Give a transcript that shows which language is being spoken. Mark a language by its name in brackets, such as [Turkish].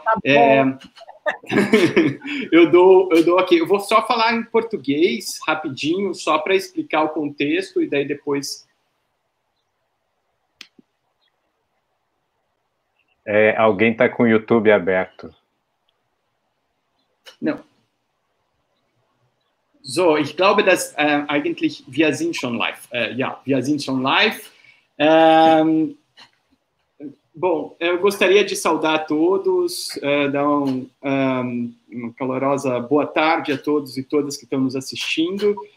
[Portuguese] Tá eu dou aqui. Eu vou só falar em português rapidinho, só para explicar o contexto e daí depois. É, alguém está com o YouTube aberto? Não. [German] So, ich glaube, dass eigentlich wir sind schon live. Ja, wir sind schon live. [Portuguese] Bom, eu gostaria de saudar a todos, dar uma calorosa boa tarde a todos e todas que estão nos assistindo.